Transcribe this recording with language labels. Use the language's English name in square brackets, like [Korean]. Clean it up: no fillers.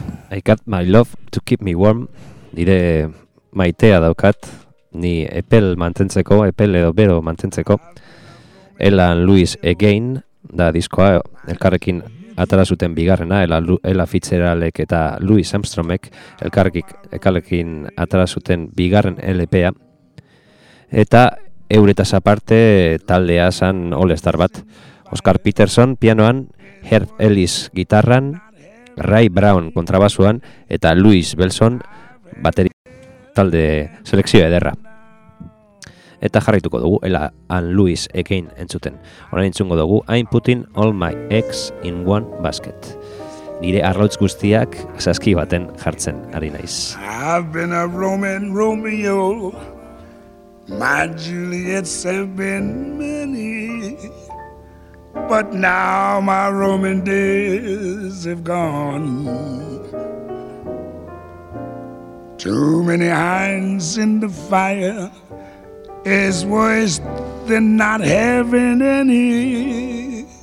[English] I got my love to keep me warm. [Basque] Nire maitea daukat, ni epel mantentzeko, epel edo bero mantentzeko. Ella and Louis Again, da diskoa, elkarrekin atara zuten bigarrena, Ella Fitzgeraldek eta Louis Armstrongek, elkarrekin atara zuten bigarren LP-a. Eta euretaz aparte, taldea zan all-star bat. Oscar Peterson, pianoan, Herb Ellis, gitarran, Ray Brown kontrabasuan eta Louis Belson bateri talde selekzio ederra. Eta jarraituko dugu Ella and Louis Again entzuten. Orain entzungo dugu I'm putting all my eggs in one basket. Nire arrautz guztiak saski baten jartzen ari naiz. [English] I've been a Roman Romeo. My Juliet's have been many. But now my Roman days have gone. Too many irons in the fire is worse than not having any.